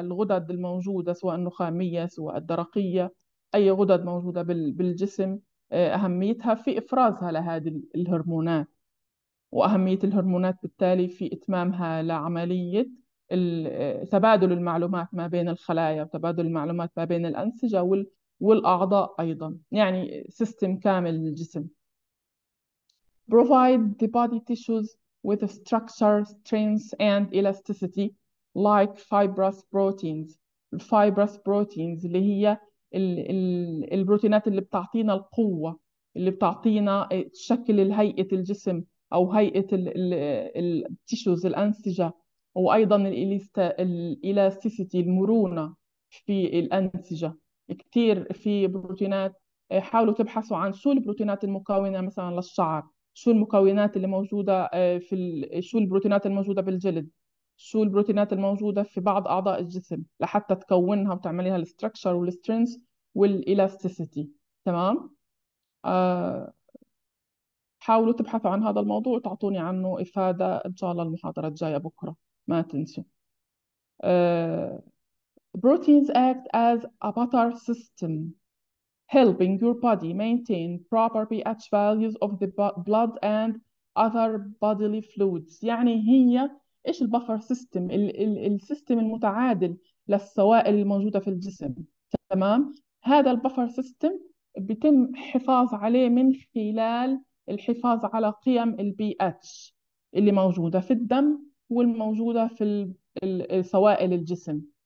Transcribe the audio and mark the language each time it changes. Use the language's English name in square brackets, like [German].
[Arabic] الغدد الموجودة سواء النخامية سواء الدرقية، أي غدد موجودة بالجسم أهميتها في إفرازها لهذه الهرمونات، وأهمية الهرمونات بالتالي في إتمامها لعملية تبادل المعلومات ما بين الخلايا وتبادل المعلومات ما بين الأنسجة والأعضاء أيضا، يعني سيستم كامل للجسم. [English] Provide the body tissues with structure, strength and elasticity like fibrous proteins. [Arabic] Fibrous proteins اللي هي البروتينات اللي بتعطينا القوة، اللي بتعطينا شكل هيئة الجسم أو هيئة التيشوز الأنسجة، وأيضا الإلاستيسيتي المرونة في الأنسجة. كثير في بروتينات، حاولوا تبحثوا عن شو البروتينات المكونة مثلا للشعر، شو المكونات اللي موجودة في شو البروتينات الموجودة بالجلد، شو البروتينات الموجودة في بعض أعضاء الجسم لحتى تكونها وتعمليها الاستراكشر والسترينث والإلاستيسيتي. تمام. حاولوا تبحثوا عن هذا الموضوع وتعطوني عنه إفادة إن شاء الله المحاضرة الجاية بكرة، ما تنسوا. [English] Proteins act as a buffer system, helping your body maintain proper pH values of the blood and other bodily fluids. [Arabic] يعني هي إيش البفر سيستم؟ السيستم المتعادل للسوائل الموجودة في الجسم. تمام؟ هذا البفر سيستم بيتم حفاظ عليه من خلال الحفاظ على قيم البي اتش اللي موجوده في الدم والموجوده في سوائل الجسم.